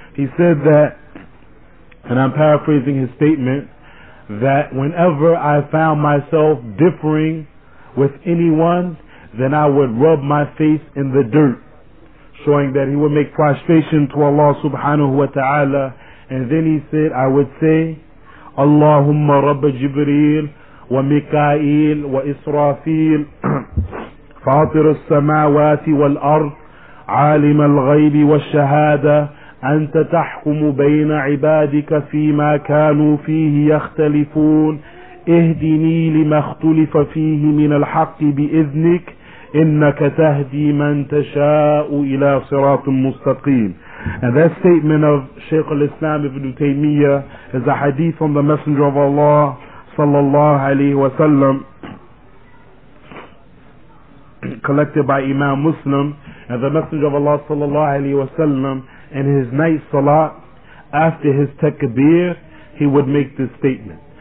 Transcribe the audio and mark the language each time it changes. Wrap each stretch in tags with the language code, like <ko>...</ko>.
<en>He said that, and I'm paraphrasing his statement, that whenever I found myself differing with anyone, then I would rub my face in the dirt, showing that he would make prostration to Allah subhanahu wa ta'ala And then he said, I would say, Allahumma Rabb Jibreel wa Mikael wa Israfil, Fatir al-Samawati wal-Ard,</en> <ar>عالم الغيب والشهادة أنت تحكم بين عبادك فيما كانوا فيه يختلفون اهدني لما اختلف فيه من الحق بإذنك إنك تهدي من تشاء إلى صراط مستقيم.</ar> <en>And that statement of Shaykh al-Islam ibn Taymiyyah is a hadith from the Messenger of Allah sallallahu alayhi wa sallam collected by Imam Muslim. And the Messenger of Allah sallallahu alayhi wa sallam, in his night salat, after his takbir, he would make this statement.</en>